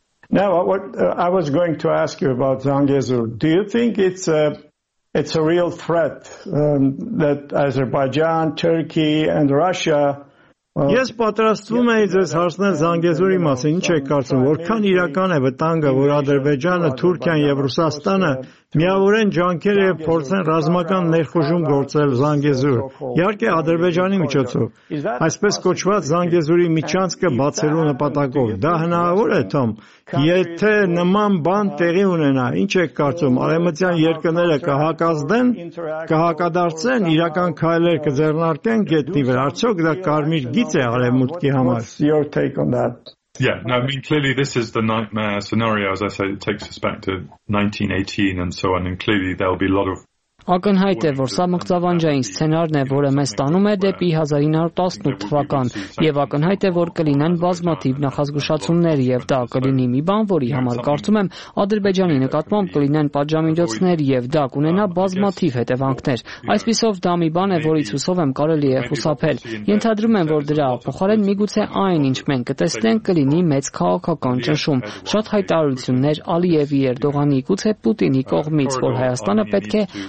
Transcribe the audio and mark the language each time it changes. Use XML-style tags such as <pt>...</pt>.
<en>Now what I was going to ask you about Zangezur, do you think it's a real threat that Azerbaijan, Turkey and Russia?</en> <hy>Ես պատրաստվում եի ձեզ հարցնել Զանգեզուրի մասին, ինչ եք կարծում, որքան իրական է վտանգը, որ Ադրբեջանը, Թուրքիան և Ռուսաստանը միավորեն ջանքեր և փորձեն ռազմական ներխուժում գործել Զանգեզուր, իհարկե Ադրբեջանի միջոցով, այսպես կոչված Զանգեզուրի միջանցքը բացելու նպատակով, դա հնարավոր է, Թոմ, եթե նման բան տեղի ունենա, ինչ եք կարծում, արևմտյան երկրները կհակազդեն, կհակադարձեն, իրական քայլեր կձեռնարկեն գետնի վրա, արդյոք դա կարմիր գիծ է արևմուտքի համար։</hy> <en>Yeah, no, I mean, clearly this is the nightmare scenario, as I said, it takes us back to 1918 and so on, and clearly there'll be a lot of...</en> <hy>Ակնհայտ է, որ սա մղձավանջային սցենարն է, որը մեզ տանում է դեպի 1918 թվական, և ակնհայտ է, որ կլինեն բազմաթիվ նախազգուշացումներ, և դա կլինի մի բան, որի համար կարծում եմ, Ադրբեջանի նկատմամբ կլինեն պատժամիջոցներ, և դա կունենա բազմաթիվ հետևանքներ։ Այսպիսով դա մի բան է, որից հուսով եմ կարելի է խուսափել։ Ենթադրում եմ, որ դրա փոխարեն միգուցե այն, ինչ մենք կտեսնենք, կլինի մեծ քաղաքական ճնշում, շատ հայտարարություններ Ալիևի, Էրդողանի, գուցե Պուտինի կողմից, որ Հայաստանը պետք է</hy>